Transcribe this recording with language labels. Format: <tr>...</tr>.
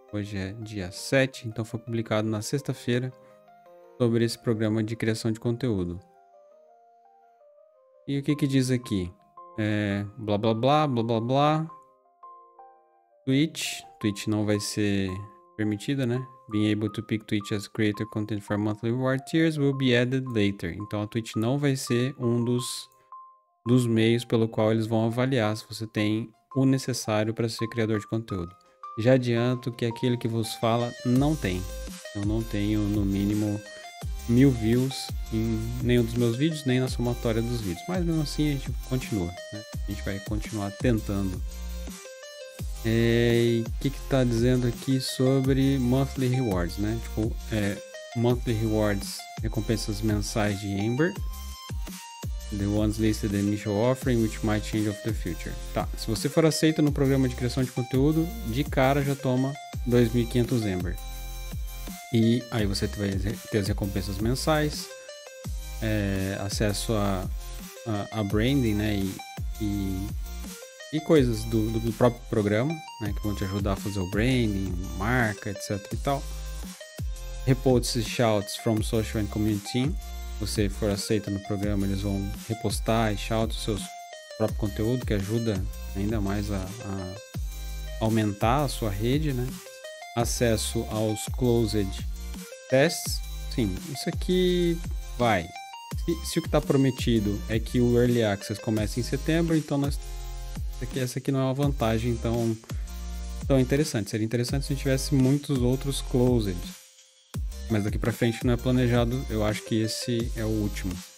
<pt>Hoje é dia 7, então foi publicado na sexta-feira sobre esse programa de criação de conteúdo. E o que que diz aqui? Blá, blá, blá, blá, blá, blá. Twitch não vai ser permitida, né?</pt> <en>Being able to pick Twitch as creator content for monthly reward tiers will be added later.</en> <pt>Então a Twitch não vai ser um dos meios pelo qual eles vão avaliar se você tem o necessário para ser criador de conteúdo. Já adianto que aquele que vos fala não tem. Eu não tenho no mínimo 1000 views em nenhum dos meus vídeos, nem na somatória dos vídeos. Mas mesmo assim a gente continua, né? A gente vai continuar tentando. O que tá dizendo aqui sobre monthly rewards, né? Tipo, monthly rewards, recompensas mensais de Ember.</pt> <en>The ones listed in initial offering, which might change of the future.</en> <pt>Tá, se você for aceito no programa de criação de conteúdo, de cara já toma 2.500 Ember. E aí você vai ter as recompensas mensais, acesso a branding, né, e coisas do próprio programa, né, que vão te ajudar a fazer o branding, marca, etc e tal.</pt> <en>Reports e shouts from social and community team.</en> <pt>Se você for aceito no programa, eles vão repostar e shout o seu próprio conteúdo, que ajuda ainda mais a aumentar a sua rede, né? Acesso aos closed tests. Sim, isso aqui vai. Se o que está prometido é que o Early Access comece em setembro, então essa aqui não é uma vantagem tão interessante. Seria interessante se a gente tivesse muitos outros closed. Mas daqui pra frente não é planejado, eu acho que esse é o último.</pt>